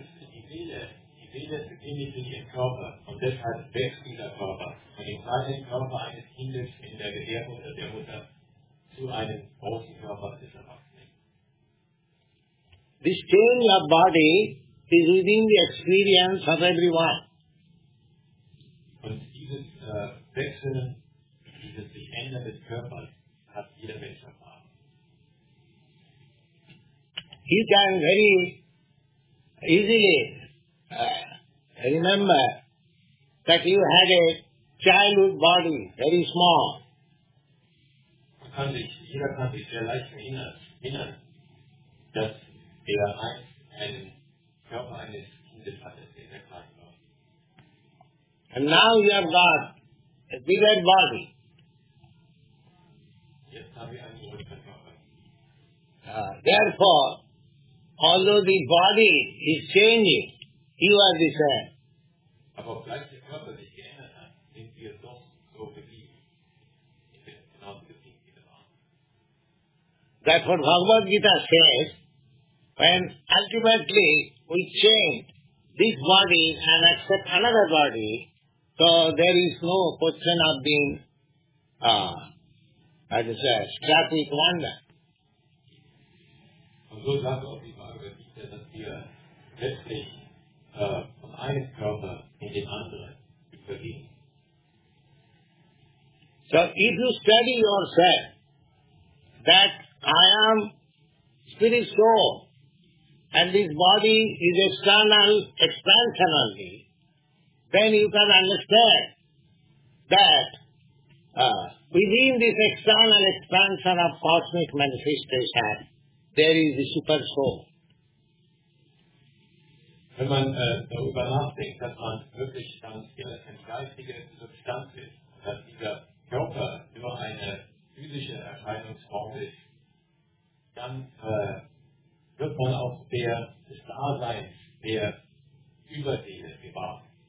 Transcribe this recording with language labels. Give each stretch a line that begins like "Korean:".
German: Jedes befindet sich im Körper und deshalb wächst dieser Körper von dem kleinen Körper eines Kindes in der Gebärmutter oder der Mutter zu einem großen Körper des Erwachsenen.
English: This change of body is within the experience of everyone.
German: Und dieses Wechseln, dieses sich ändern des Körpers hat jeder Mensch erfahren.
English: He can very easily remember that you had a childhood body, very small.
German: Jeder kann sich sehr leicht erinnern, dass er einen Körper eines Kindes hatte, der klein war.
English: And now you have got a bigger body.
German: Jetzt habe ich einen größeren Körper.
English: Therefore, although the body is changing, you are the same.
German: Aber obgleich der Körper sich geändert hat, sind wir doch so geblieben. Ich bin genau so geblieben wie der Mann.
English: That's what Bhagavad Gita says, when ultimately we change this body and accept another body, so there is no question of being, static wonder.
German: Und so sagt auch die Bhagavad Gita, dass wir letztlich von einem Körper in den anderen übergehen.
English: So if you study yourself that I am spirit soul and this body is external expansion only, then you can understand that within this external expansion of cosmic manifestation there is the super soul.
German: Wenn man darüber nachdenkt, dass man wirklich dann eine geistige Substanz ist, dass dieser Körper nur eine physische Erscheinungsform ist, dann wird man auch der des Daseins, der Überseele gewahr.